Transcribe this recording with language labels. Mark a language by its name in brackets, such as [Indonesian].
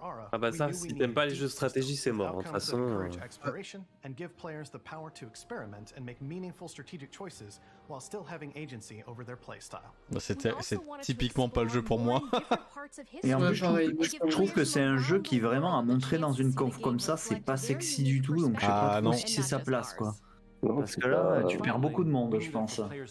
[French] Ah bah ça, si t'aimes pas les jeux de stratégie, c'est mort. De toute façon. [English] And give players the power to experiment and make meaningful strategic choices while still having agency over their playstyle. [French] Bah c'est typiquement pas le jeu pour moi. Et en plus, je trouve que c'est un jeu qui vraiment a montré dans une conf comme ça, c'est pas sexy du tout, donc je sais pas trop si c'est sa place, quoi. Parce que là, tu perds beaucoup de monde, je pense.